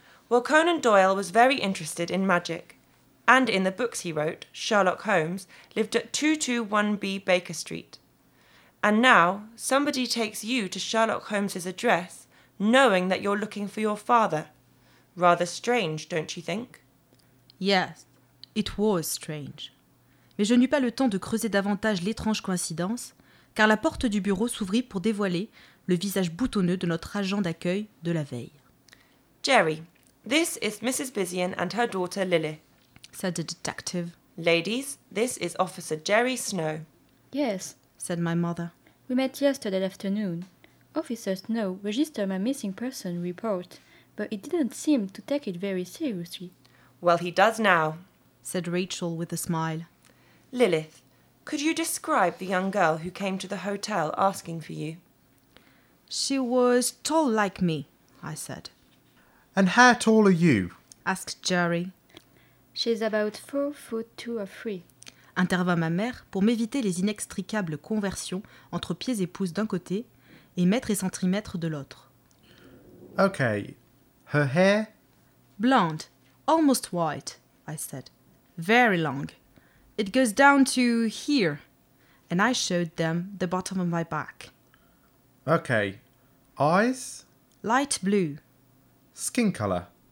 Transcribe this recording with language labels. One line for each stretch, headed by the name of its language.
English: Well, Conan Doyle was very interested in magic. And in the books he wrote, Sherlock Holmes lived at 221B Baker Street. And now, somebody takes you to Sherlock Holmes's address, knowing that you're looking for your father. Rather strange, don't you think? Yes, it was strange.
French: mais je n'eus pas le temps de creuser davantage l'étrange coïncidence, car la porte du bureau s'ouvrit pour dévoiler le visage boutonneux de notre agent d'accueil de la veille.
English: Jerry, this is Mrs. Bizian and her daughter Lily, said the detective. Ladies, this is Officer Jerry Snow. Yes, said my mother. We met yesterday afternoon. Officer Snow registered my missing person report, but he didn't seem to take it very seriously. Well, he does now, said Rachel with a smile. Lilith, could you describe the young girl who came to the hotel asking for you? She was tall like me, I said. And how tall are you? Asked Jerry. She's about 4'2" or 3".
French: Intervint ma mère pour m'éviter les inextricables conversions entre pieds et pouces d'un côté et mètres et centimètres de l'autre.
English: Okay, her hair? Blonde, almost white, I said. Very long. It goes down to here. And I showed them the bottom of my back. Okay, eyes? Light blue. Skin color?